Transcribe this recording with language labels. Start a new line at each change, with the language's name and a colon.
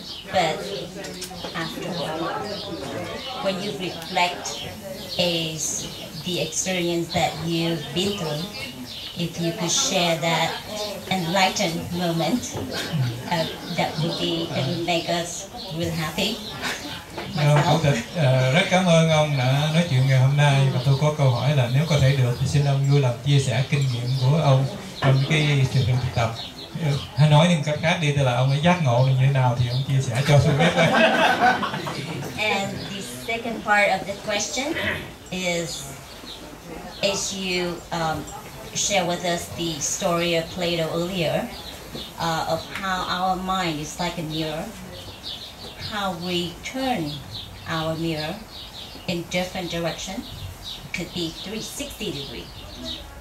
English: But afterward, when you reflect is the experience that you've been through, if you could share that enlightened moment, that would be and make us real happy.
Vietnamese: Chủ tịch, rất cảm ơn ông đã nói chuyện ngày hôm nay. Và tôi có câu hỏi là nếu có thể được thì xin ông vui lòng chia sẻ kinh nghiệm của ông trong cái sự thực tập. Hay nói những cách khác đi, tức là ông ấy giác ngộ như thế nào thì ông chia sẻ cho tôi biết.
English: And the second part of the question is, as you share with us the story of Plato earlier, of how our mind is like a mirror, how we turn our mirror in different direction, could be 360 degrees.